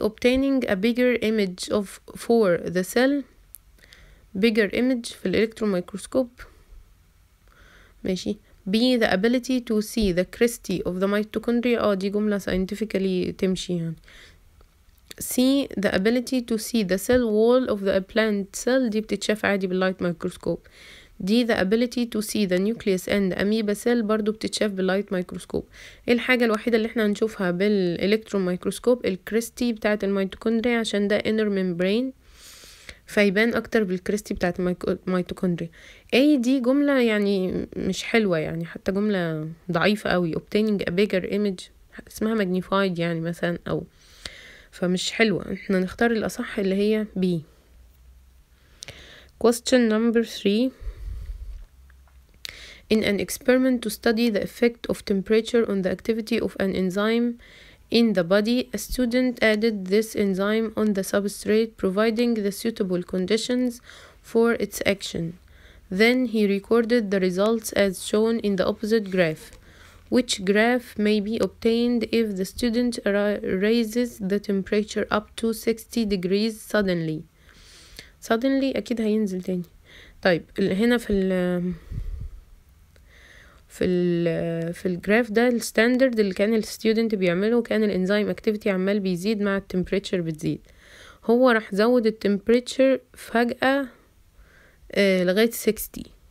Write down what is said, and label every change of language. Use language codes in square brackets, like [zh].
[en] obtaining a bigger image of for the cell. Bigger image [ar] في الالكترون مايكروسكوب. [en] ماشي. B. the ability to see the crystal of the mitochondria. [ar] اه دي جملة scientifically تمشي يعني. C. [en] the ability to see the cell wall of the plant cell, [ar] دي بتتشاف عادي باللايت مايكروسكوب. [en] D. the ability to see the nucleus and amoeba cell, [ar] برضو بتتشاف باللايت مايكروسكوب. الحاجة الوحيدة اللي احنا هنشوفها بالالكترون مايكروسكوب الكريستي بتاعة الميتوكوندريا, عشان ده inner membrane فيبان اكتر بالكريستي بتاعة الميتوكوندريا. A. دي جملة يعني مش حلوة, يعني حتى جملة ضعيفة قوي. [en] Obtaining a bigger image [ar] اسمها magnified يعني مثلا, او فمش حلوة. احنا نختار الأصح اللي هي B. [en] Question number 3. In an experiment to study the effect of temperature on the activity of an enzyme in the body, a student added this enzyme on the substrate providing the suitable conditions for its action. Then he recorded the results as shown in the opposite graph. Which graph may be obtained if the student raises the temperature up to 60 degrees suddenly? [ar] Suddenly أكيد هينزل تاني. طيب هنا في الجراف ده الستاندرد اللي كان الستودنت بيعمله كان الانزيم اكتيفيتي عمال بيزيد مع التمبريتشر بتزيد. هو راح زود التمبريتشر فجأة لغاية 60.